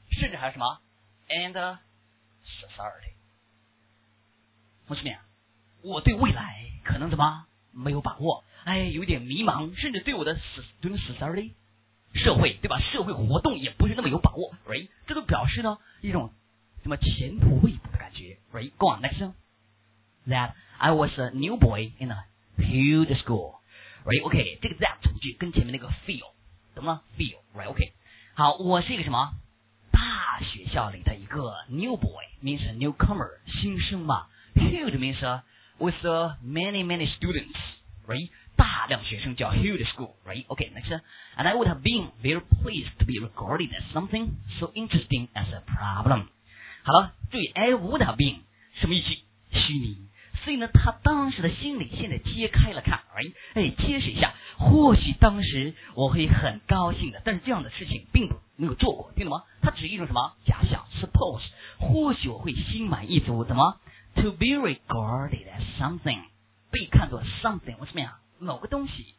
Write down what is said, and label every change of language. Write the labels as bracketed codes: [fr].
[zh] 甚至还有什么 [en] and society， [zh] 我什么呀？我对未来可能怎么没有把握？哎，有点迷茫，甚至对我的 society 社会，对吧？社会活动也不是那么有把握 ，right？ 这都表示呢一种什么前途未卜的感觉。 [en] Right, go on, next one. That I was a new boy in a huge school. Right, okay, [zh] 这个 that 从句跟前面那个 feel, 懂吗 ？Feel, right, okay. 好，我是一个什么？大学校里的一个 new boy, [en] means a newcomer, [zh] 新生嘛。 [en] Huge means with many many students. [zh] Right, 大量学生叫 [en] huge school. [zh] Right, okay, next one. [en] And I would have been very pleased to be regarded as something so interesting as a problem. [zh] 好了，注意 I would have been 什么意思？虚拟。所以呢，他当时的心理现在揭开了看，哎，揭示一下，或许当时我会很高兴的，但是这样的事情并不没有做过，听懂吗？他只是一种什么假想 ，suppose， 或许我会心满意足，怎么 ？ [en] To be regarded as something， [zh] 被看作 something， 我什么呀？某个东西。